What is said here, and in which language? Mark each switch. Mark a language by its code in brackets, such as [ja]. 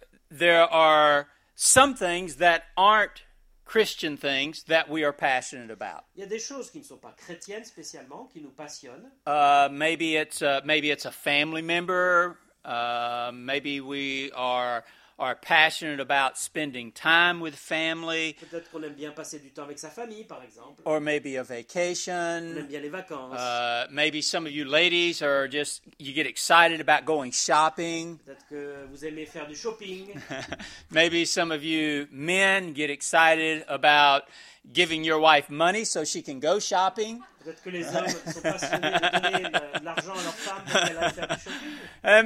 [en] There are some things that aren't Christian things that we are passionate about. [fr] Il y a des choses qui ne sont pas chrétiennes spécialement qui nous passionnent. [en] Maybe it's a family member. Maybe we are passionate about spending time with family. [fr] Peut-être qu'on aime bien passer du temps avec sa famille, par exemple. [en] Or maybe a vacation. [fr] On aime bien les vacances. [en] Maybe some of you ladies are just, you get excited about going shopping. [fr] Peut-être que vous aimez faire du shopping. [en] Maybe some of you men get excited about giving your wife money so she can go shopping. [fr] Peut-être que les hommes sont passionnés de donner de l'argent à leur femme pour qu'elle aille faire du shopping.